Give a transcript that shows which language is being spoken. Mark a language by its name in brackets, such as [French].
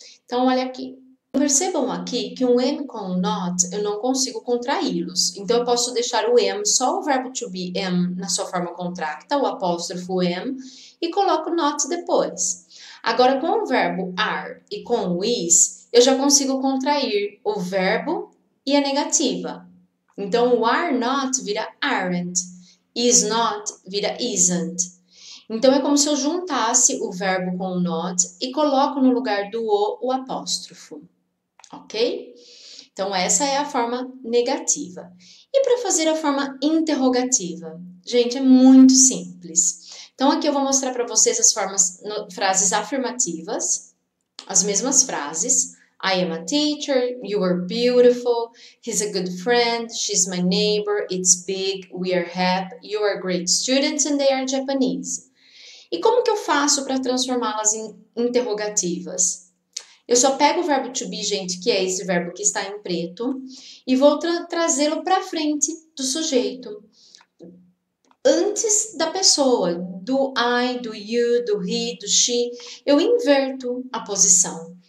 [Portuguese] Então, olha aqui. Percebam aqui que um am com um not eu não consigo contraí-los. Então, eu posso deixar o am, só o verbo to be am, na sua forma contracta, o apóstrofo am, e coloco not depois. Agora, com o verbo are e com o is, eu já consigo contrair o verbo e a negativa. Então, o are not vira aren't, is not vira isn't. Então, é como se eu juntasse o verbo com o not e coloco no lugar do o apóstrofo, ok? Então, essa é a forma negativa. E para fazer a forma interrogativa? Gente, é muito simples. Então, aqui eu vou mostrar para vocês as formas, no, frases afirmativas, as mesmas frases. [English] I am a teacher, you are beautiful, he's a good friend, she's my neighbor, it's big, we are happy, you are great students and they are Japanese. [Portuguese] E como que eu faço para transformá-las em interrogativas? Eu só pego o verbo to be, gente, que é esse verbo que está em preto, e vou trazê-lo para frente do sujeito, antes da pessoa, do I, do you, do he, do she, eu inverto a posição.